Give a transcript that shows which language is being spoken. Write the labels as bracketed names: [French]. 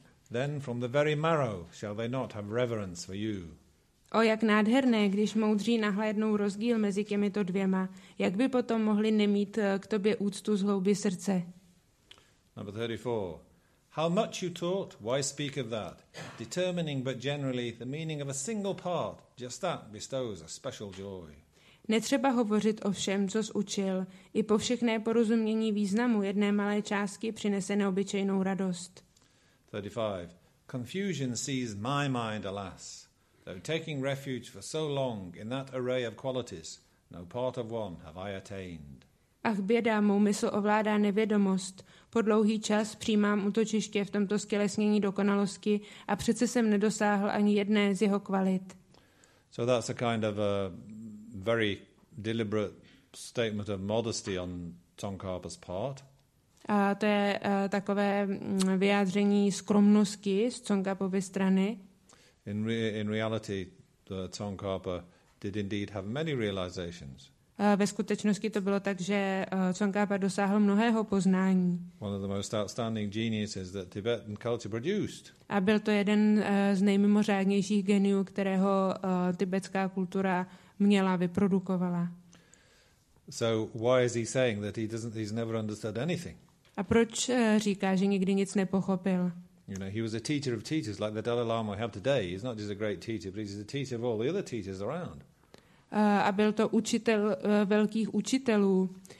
[English] Then from the very marrow shall they not have reverence for you. [Czech] O jak nádherné, když moudří nahlédnou rozdíl mezi těmito dvěma, jak by potom mohli nemít k tobě úctu z hlouby srdce. [English] Number 34. How much you taught, why speak of that? Determining but generally the meaning of a single part, just that bestows a special joy. [Czech] Netřeba hovořit o všem, co jsi učil. I po všechné porozumění významu jedné malé částky přinese neobyčejnou radost. [English] 35. Confusion sees my mind, alas. Though taking refuge for so long in that array of qualities, no part of one have I attained. [Czech] Ach, běda, mou mysl ovládá nevědomost. Po dlouhý čas přijímám útočiště v tomto skělesnění dokonalosti a přece jsem nedosáhl ani jedné z jeho kvalit. [English] So that's a kind of a very deliberate statement of modesty on Tsongkhapa's part. [Czech] A to je takové vyjádření skromnosti z Tsongkhapovy strany. [English] In reality, Tsongkhapa did indeed have many realizations. [Czech] Ve skutečnosti to bylo tak, že Tsongkhapa dosáhl mnohého poznání. [English] One of the most outstanding geniuses that Tibetan culture produced. [Czech] A byl to jeden z nejmimořádnějších geniů, kterého tibetská kultura měla, vyprodukovala. [English] So why is he saying that he's never understood anything? [Czech] A proč říká, že nikdy nic nepochopil? [English] You know, he was a teacher of teachers like the Dalai Lama we have today. He's not just a great teacher, but he's a teacher of all the other teachers around. [Czech] A byl to učitel velkých učitelů.